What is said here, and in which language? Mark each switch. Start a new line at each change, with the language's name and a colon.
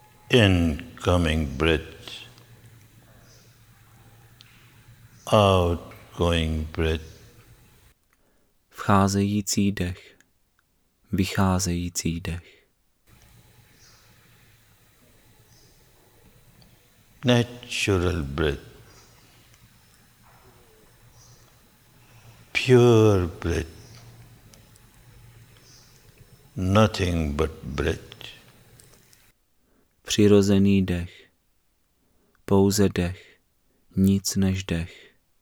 English: Incoming breath, outgoing breath.
Czech: Vcházející dech, vycházející dech.
English: Natural breath, pure breath, nothing but breath.
Czech: Přirozený dech, pouze dech, nic než dech.